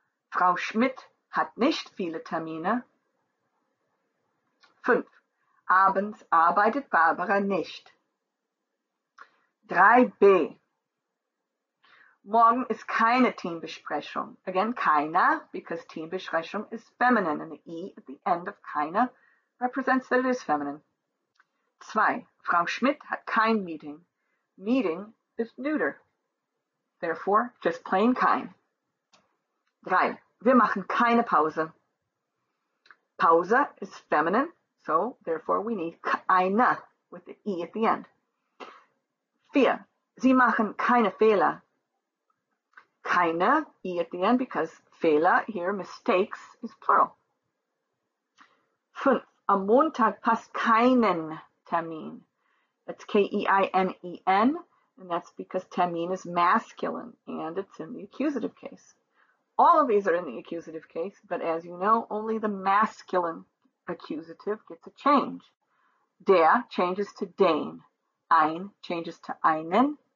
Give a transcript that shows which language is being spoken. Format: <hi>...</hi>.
<de>Frau Schmidt hat nicht viele Termine. 5. Abends arbeitet Barbara nicht. 3b. Morgen ist keine Teambesprechung.</de> <en>Again, keine, because Teambesprechung is feminine. And the E at the end of keine represents that it is feminine. 2.</en> <de>Frau Schmidt hat kein Meeting.</de> <en>Meeting is neuter. Therefore, just plain kein. 3.</en> <de>Wir machen keine Pause.</de> <en>Pause is feminine, so therefore we need keine with the E at the end. 4.</en> <de>Sie machen keine Fehler.</de> <en>Keine, E at the end, because Fehler, here, mistakes, is plural. 5.</en> <de>Am Montag passt keinen Termin.</de> <en>That's K-E-I-N-E-N, and that's because Termin is masculine, and it's in the accusative case. All of these are in the accusative case, but as you know, only the masculine accusative gets a change. Der changes to den. Ein changes to einen.</en>